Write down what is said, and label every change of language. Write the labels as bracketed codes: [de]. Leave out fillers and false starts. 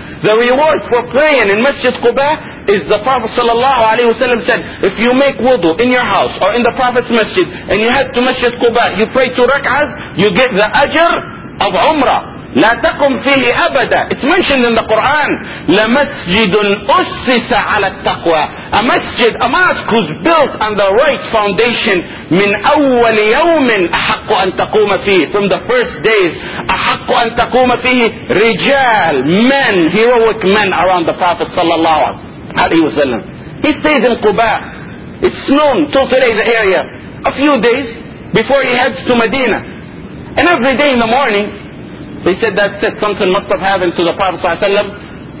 [en] The reward for praying in Masjid Quba is the Prophet sallallahu alayhi wa sallam said, if you make wudu in your house or in the Prophet's masjid and you head to Masjid Quba, you pray two rak'ahs, you get the ajr of umrah. [ar] لا تقم فيه أبدا. [en] It's mentioned in the Quran. [ar] لمسجد أسس على التقوى. [en] A masjid, a mosque who's built on the right foundation. [ar] من أول يوم أحق أن تقوم فيه. [en] From the first days, [ar] أحق أن تقوم فيه. [en] رجال, men, heroic men around the Prophet [ar] صلى الله عليه وسلم. [en] He stays in Quba. It's known till today the area. A few days before he heads to Medina. And every day in the morning, they said, that's it, something must have happened to the Prophet ﷺ.